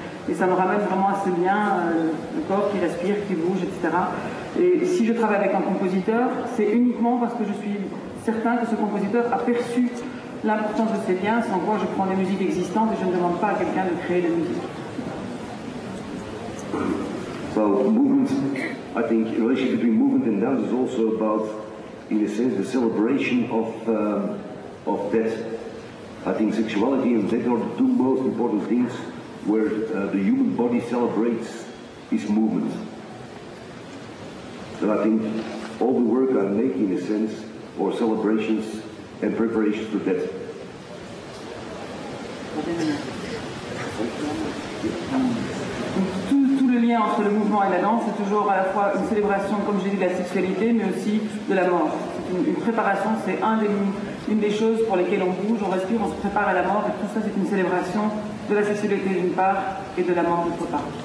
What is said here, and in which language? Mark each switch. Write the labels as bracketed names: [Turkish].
[French] Et ça nous ramène vraiment à ce lien, le corps qui respire, qui bouge, etc. Et si je travaille avec un compositeur, c'est uniquement parce que je suis certain que ce compositeur a perçu l'importance de ces liens, sans quoi je prends des musiques existantes et je ne demande pas à quelqu'un de créer des musiques. [English] So, movement, I think, the relationship between movement and dance is also about, in a sense, the celebration of death. I think sexuality and death are the two most important things where the human body celebrates its movement. So I think all the work I make, in a sense, or celebrations and preparations for death. [French] Tout le lien entre le mouvement et la danse, c'est toujours à la fois une célébration, comme j'ai dit, de la sexualité, mais aussi de la mort. Une préparation, c'est une des choses pour lesquelles on bouge, on respire, on se prépare à la mort, et tout ça, c'est une célébration de la sexualité d'une part et de la mort d'autre part.